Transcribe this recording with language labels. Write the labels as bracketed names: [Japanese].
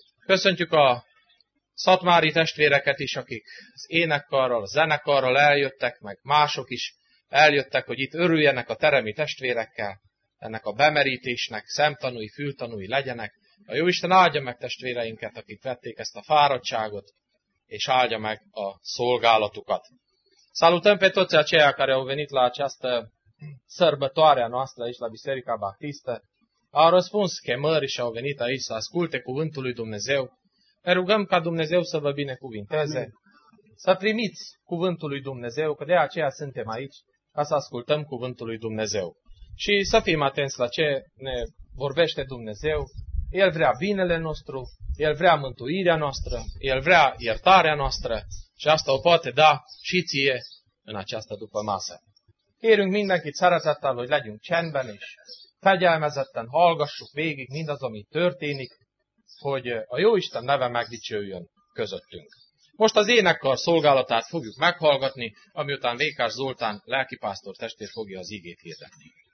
[Hungarian] Köszöntjük a szatmári testvéreket is, akik az énekkarral, a zenekarral eljöttek, meg mások is eljöttek, hogy itt örüljenek a teremi testvérekkel, ennek a bemerítésnek szemtanúi, fültanúi legyenek. A Jóisten áldja meg testvéreinket, akik vették ezt a fáradtságot, és áldja meg a szolgálatukat. [Romanian] Salutăm pe toți aceia care au venit la această sărbătoare a noastră aici la Biserica Baptistă. Au răspuns chemării și au venit aici să asculte cuvântul lui Dumnezeu. Ne rugăm ca Dumnezeu să vă binecuvinteze, să primiți cuvântul lui Dumnezeu, că de aceea suntem aici, ca să ascultăm cuvântul lui Dumnezeu. Și să fim atenți la ce ne vorbește Dumnezeu. El vrea binele nostru, El vrea mântuirea noastră, El vrea iertarea noastră. Și asta o poate da și ție în această după-masă. [Hungarian] Kérünk mindenkit szeretettel, hogy legyünk csendben és fegyelmezetten hallgassuk végig mindaz, ami történik, hogy a Jóisten neve megdicsőjön közöttünk. Most az énekkar szolgálatát fogjuk meghallgatni, amiután Lékás Zoltán lelkipásztor testvér fogja az igét hirdetni.